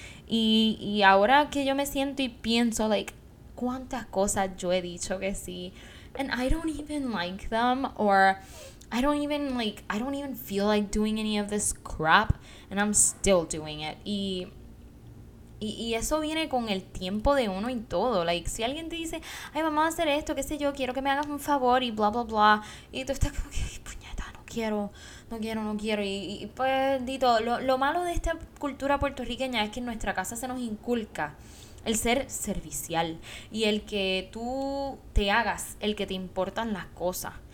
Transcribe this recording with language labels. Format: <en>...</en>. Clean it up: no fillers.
<es>Y ahora que yo me siento y pienso,</es> <en>like,</en> <es>¿cuántas cosas yo he dicho que sí?</es> <en>And I don't even like them, or I don't even feel like doing any of this crap, and I'm still doing it.</en> <es>Y eso viene con el tiempo de uno y todo. Like, si alguien te dice, ay, vamos a hacer esto, qué sé yo, quiero que me hagas un favor, y bla, bla, bla, y tú estás como que, puñeta, no quiero, y pues, dito, lo malo de esta cultura puertorriqueña es que en nuestra casa se nos inculca el ser servicial y el que tú te hagas el que te importan las cosas.</es>